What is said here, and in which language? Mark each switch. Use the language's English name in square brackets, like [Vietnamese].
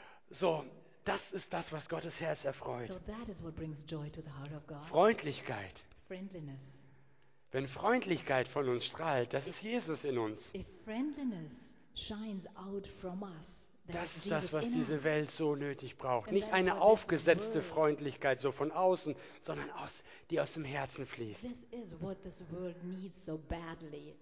[German] So, das ist das, was Gottes Herz erfreut. [English] So that is what brings joy to the heart of God. [German] Freundlichkeit. [English] Friendliness. [German] Wenn Freundlichkeit von uns strahlt, das ist Jesus in uns. [English] If friendliness shines out from us, [German] das ist das, was diese Welt so nötig braucht. Nicht eine aufgesetzte Freundlichkeit so von außen, sondern die aus dem Herzen fließt. [English] This is what this world needs so badly.